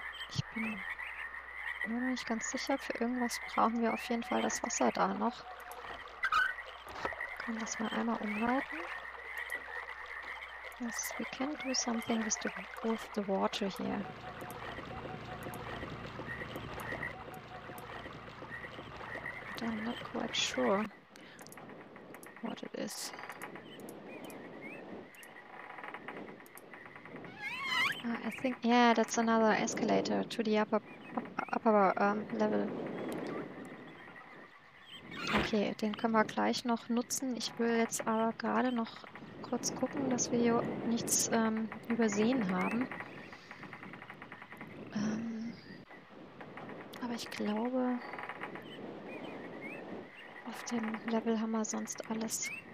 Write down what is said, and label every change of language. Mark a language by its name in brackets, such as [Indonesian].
[German] Ich bin mir noch nicht ganz sicher, für irgendwas brauchen wir auf jeden Fall das Wasser da noch. Können das mal einmal umleiten. [English] Yes, we can do something with the water here. But I'm not quite sure what it is. I think, yeah, that's another escalator to the upper level. [German] Okay, den können wir gleich noch nutzen. Ich will jetzt aber gerade noch kurz gucken, dass wir hier nichts übersehen haben. Aber ich glaube, auf dem Level haben wir sonst alles.